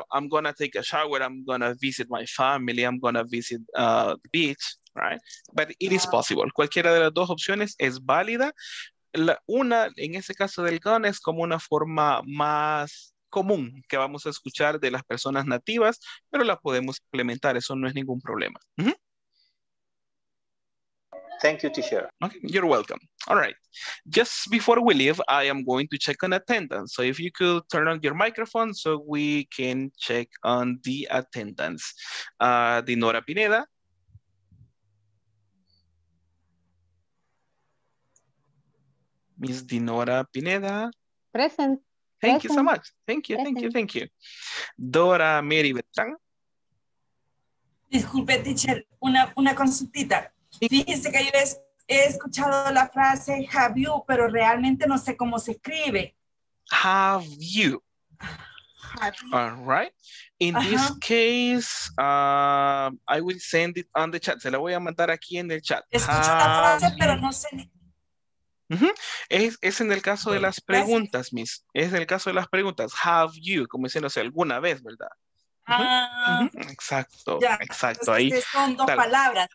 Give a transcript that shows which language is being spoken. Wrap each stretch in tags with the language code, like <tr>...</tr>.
<en>I'm gonna take a shower, I'm gonna visit my family, I'm gonna visit the beach, right? But it is possible.</en> <es>Cualquiera de las dos opciones es válida. Una, en ese caso del gonna, es como una forma más común que vamos a escuchar de las personas nativas, pero la podemos implementar, eso no es ningún problema. Mm-hmm.</es> <en>Thank you, teacher. Okay, you're welcome. All right. Just before we leave, I am going to check on attendance. So if you could turn on your microphone so we can check on the attendance. Dinora Pineda. Miss Dinora Pineda. Present. Thank you so much. Thank you, thank you, thank you. Dora Mary Betán.</en> <es>Disculpe, teacher, una consultita. Fíjese que yo he escuchado la frase</es> <en>have you,</en> <es>pero realmente no sé cómo se escribe.</es> <en>Have you. All right. In this case, I will send it on the chat.</en> <es>Se la voy a mandar aquí en el chat. Escucho la frase, pero no sé ni. Uh-huh. Es en el caso de las preguntas, miss. Es en el caso de las preguntas.</es> <en>Have you,</en> <es>como diciéndose alguna vez, ¿verdad? Uh-huh. Uh-huh. Exacto, ya. Exacto. Ahí. Son dos palabras.</es>